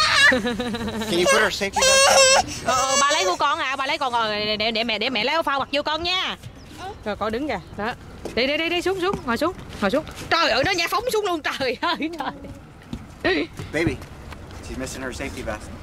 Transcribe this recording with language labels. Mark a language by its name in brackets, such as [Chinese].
[English] Can you put her safety belt on? [Vietnamese] Ba lấy của con à, ba lấy con rồi để mẹ lấy áo phao mặc vô con nha. Rồi con đứng kìa, đó. Đi xuống, ngồi xuống. Trời ơi, nó nhảy phóng xuống luôn, trời. [English] Baby, she's missing her safety vest.